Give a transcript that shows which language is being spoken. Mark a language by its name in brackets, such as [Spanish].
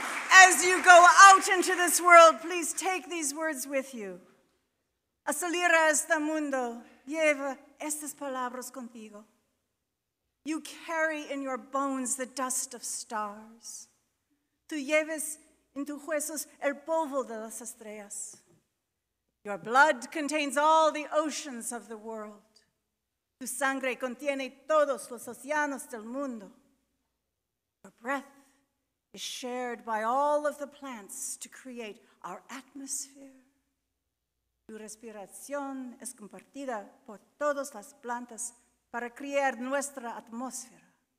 [English] As you go out into this world, please take these words with you. [Spanish] A salir a este mundo, lleva estas palabras contigo. [English] You carry in your bones the dust of stars. [Spanish] Tú lleves en tus huesos el polvo de las estrellas. [English] Your blood contains all the oceans of the world. [Spanish] Tu sangre contiene todos los océanos del mundo. [English] Your breath is shared by all of the plants to create our atmosphere. [Spanish] Tu respiración es compartida por todas las plantas para crear nuestra atmósfera.